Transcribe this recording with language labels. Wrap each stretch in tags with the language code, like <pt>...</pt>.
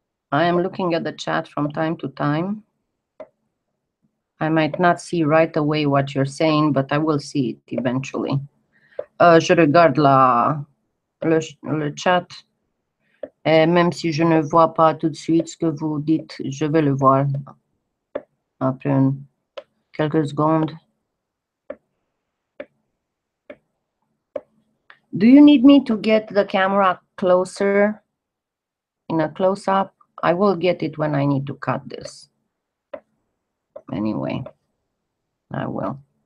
<en>I am looking at the chat from time to time. I might not see right away what you're saying, but I will see it eventually.</en> <fr>Je regarde le chat. Et même si je ne vois pas tout de suite ce que vous dites, je vais le voir après quelques secondes.</fr> <en>Do you need me to get the camera closer in a close-up? I will get it when I need to cut this. Anyway, I will.</en>